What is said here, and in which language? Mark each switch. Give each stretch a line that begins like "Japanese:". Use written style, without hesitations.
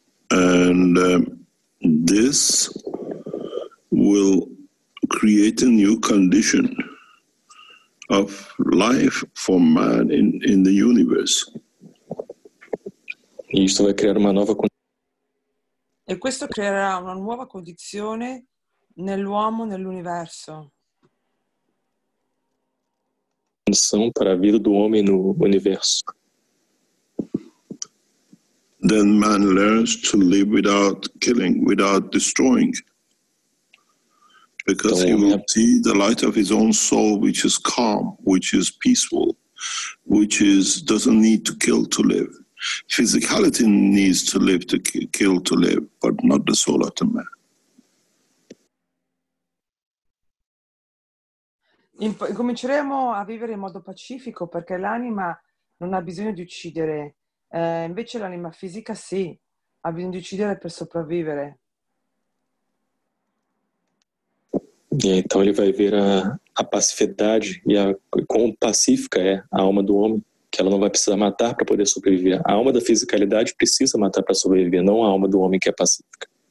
English: And this will create a new condition of life for man in the universe.
Portuguese: Isto vai criar uma nova
Italian: e questo creerà una nuova condizione nell'uomo, nell'universo.
Portuguese: Condição para a vida do homem no universo.
English: Then man learns to live without killing, without destroying. Because he will see the light of his own soul, which is calm, which is peaceful, which is doesn't need to kill to live. Physicality needs to live to kill to live, but not the soul of the man.
Italian: Incominceremo a vivere in modo pacifico perché l'anima non ha bisogno di uccidere, invece l'anima fisica sì, ha bisogno di uccidere per sopravvivere.
Portuguese: E então ele vai ver a pacificidade e a quão pacífica é a alma do homem, que ela não vai precisar matar para poder sobreviver. A alma da fisicalidade precisa matar para sobreviver, não a alma do homem que é pacífica.